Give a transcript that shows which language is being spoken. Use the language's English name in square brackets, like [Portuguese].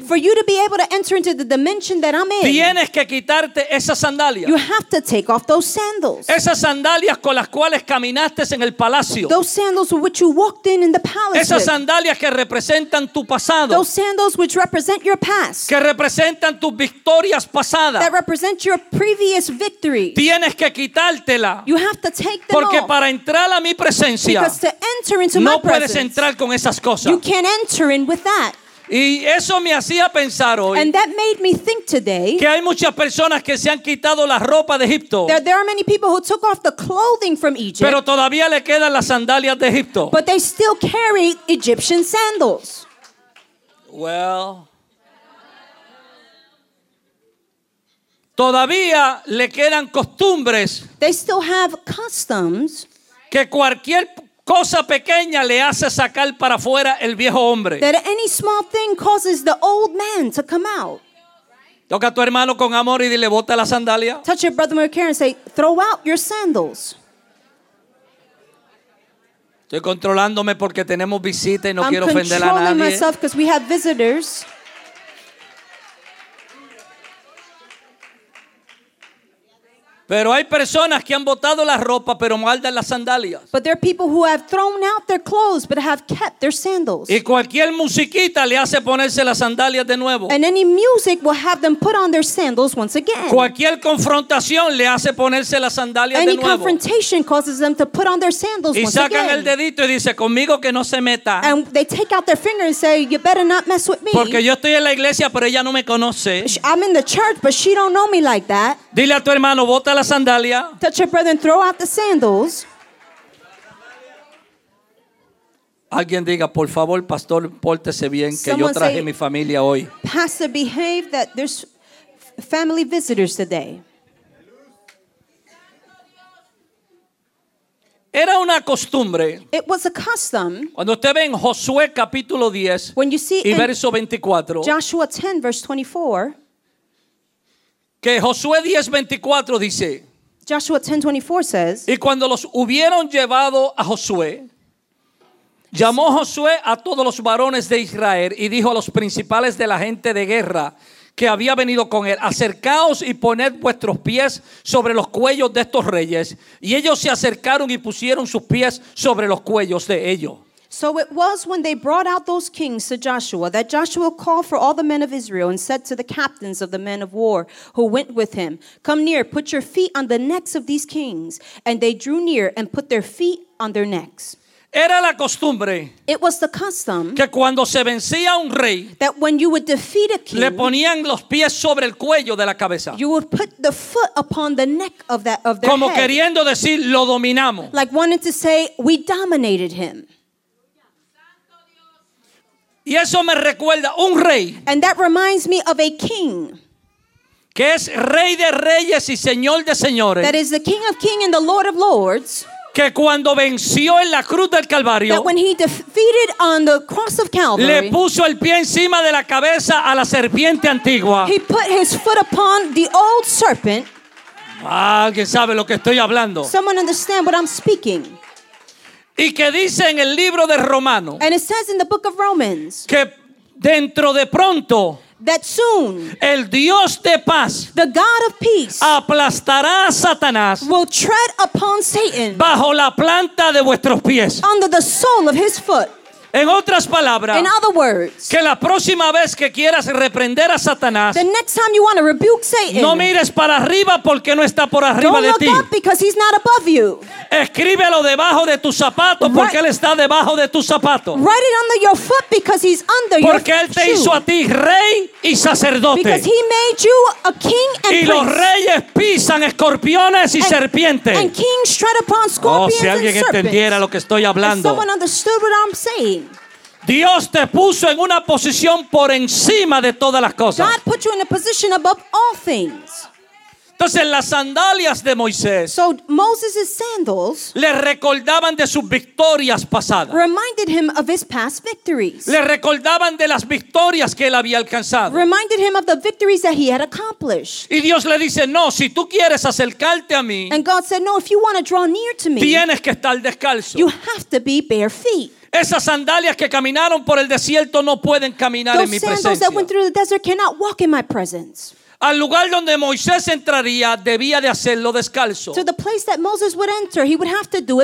[English] for you to be able to enter into the dimension that I'm in, [Spanish] tienes que quitarte esas sandalias. [English] You have to take off those sandals. [Spanish] Esas sandalias con las cuales caminaste en el palacio. [English] Those sandals with which you walked in the palace. [Spanish] Esas sandalias que representan tu pasado. [English] Those sandals which represent your past. [Spanish] Que representan tus victorias pasadas. [English] That represent your previous victories. [Spanish] Tienes que quitártela. [English] You have to take them [Spanish] porque [English] off. [Spanish] Para entrar a mi presencia, [English] because to enter into [Spanish] no [English] my presence, [Spanish] puedes entrar con esas cosas. [English] You can't enter in with that. [Spanish] Y eso me hacía pensar hoy. [English] And that made me think today. [Spanish] Que hay muchas personas que se han quitado la ropa de Egipto. [English] That there are many people who took off the clothing from Egypt. [Spanish] Pero todavía le quedan las sandalias de Egipto. [English] But they still carry Egyptian sandals. [Spanish] Well, todavía le quedan costumbres. [English] They still have customs. [Spanish] Que cualquier cosa pequeña le hace sacar para afuera el viejo hombre. [English] That any small thing causes the old man to come out. [Spanish] Toca a tu hermano con amor y dile, bota la sandalia. [English] Touch your brother with care and say, throw out your sandals. [Spanish] Estoy controlándome porque tenemos visita y no quiero ofender a nadie. [English] I'm controlling myself because we have visitors. [Spanish] Pero hay personas que han botado la ropa pero guardan las sandalias. [English] But there are people who have thrown out their clothes but have kept their sandals. [Spanish] Y cualquier musiquita le hace ponerse las sandalias de nuevo. [English] And any music will have them put on their sandals once again. [Spanish] Cualquier confrontación le hace ponerse las sandalias [English] any [Spanish] de nuevo. [English] Any confrontation causes them to put on their sandals [Spanish] y [English] once again. [Spanish] Y sacan el dedito y dice, conmigo que no se meta. [English] And they take out their finger and say, you better not mess with me. [Spanish] Porque yo estoy en la iglesia pero ella no me conoce. [English] I'm in the church but she don't know me like that. [Spanish] Dile a tu hermano, bota la sandalia. [English] Touch your brother and throw out the sandals. [Spanish] Alguien diga, por favor, pastor, pórtese bien que yo traje mi familia hoy. [English] Pastor, behave that there's family visitors today. [Spanish] Era una costumbre. [English] It was a custom. [Spanish] Cuando usted ve en Josué capítulo 10 [English] when you see [Spanish] y verso 24. [English] Joshua 10 verse 24. [Spanish] Que Josué 10:24 dice. [English] Joshua 10:24 says. [Spanish] Y cuando los hubieron llevado a Josué, llamó Josué a todos los varones de Israel y dijo a los principales de la gente de guerra que había venido con él, acercaos y poned vuestros pies sobre los cuellos de estos reyes. Y ellos se acercaron y pusieron sus pies sobre los cuellos de ellos. [English] So it was when they brought out those kings to Joshua that Joshua called for all the men of Israel and said to the captains of the men of war who went with him, come near, put your feet on the necks of these kings. And they drew near and put their feet on their necks. [Spanish] Era la costumbre. [English] It was the custom [Spanish] que cuando se vencía un rey, [English] that when you would defeat a king, [Spanish] le ponían los pies sobre el cuello de la cabeza. [English] You would put the foot upon the neck of that of their [Spanish] como [English] head. [Spanish] Como queriendo decir, lo dominamos. [English] Like wanting to say, we dominated him. [Spanish] Y eso me recuerda un rey. [English] And that reminds me of a king. [Spanish] Que es rey de reyes y señor de señores. [English] That is the king of kings and the lord of lords. [Spanish] Que cuando venció en la cruz del Calvario. [English] That when he defeated on the cross of Calvary. [Spanish] Le puso el pie encima de la cabeza a la serpiente antigua. [English] He put his foot upon the old serpent. [Spanish] ¿Alguien sabe lo que estoy hablando? [English] Someone understand what I'm speaking. [Spanish] Y que dice en el libro de Romanos. [English] And it says in the book of Romans. [Spanish] Que dentro de pronto. [English] That soon. [Spanish] El Dios de paz. [English] The God of peace. [Spanish] Aplastará a Satanás. [English] Will tread upon Satan. [Spanish] Bajo la planta de vuestros pies. [English] Under the sole of his foot. [Spanish] En otras palabras. [English] In other words. [Spanish] Que la próxima vez que quieras reprender a Satanás. [English] The next time you want to rebuke Satan. [Spanish] No mires para arriba porque no está por arriba de ti. [English] Don't look up because he's not above you. [Spanish] Escríbelo debajo de tus zapatos porque él está debajo de tus zapatos. [English] Write it under your foot because he's under your [Spanish] Porque él te hizo a ti rey y sacerdote. [English] Because he made you a king and priest. [Spanish] Y los reyes pisan escorpiones y serpientes. [English] And kings tread upon scorpions and serpents. [Spanish] Oh, si alguien entendiera lo que estoy hablando. [English] If someone understood what I'm saying. [Spanish] Dios te puso en una posición por encima de todas las cosas. [English] God put you in a position above all things. [Spanish] Entonces las sandalias de Moisés. [English] So Moses' sandals. [Spanish] Le recordaban de sus victorias pasadas. [English] Reminded him of his past victories. [Spanish] Le recordaban de las victorias que él había alcanzado. [English] Reminded him of the victories that he had accomplished. [Spanish] Y Dios le dice, no, si tú quieres acercarte a mí. [English] And God said, no, if you want to draw near to me. [Spanish] Tienes que estar descalzo. [English] You have to be bare feet. [Spanish] Esas sandalias que caminaron por el desierto no pueden caminar [English] those [Spanish] en mi presencia. [English] Those sandals that went through the desert cannot walk in my presence. [Spanish] Al lugar donde Moisés entraría debía de hacerlo descalzo. [English] To the place that Moses would enter, he would have to do it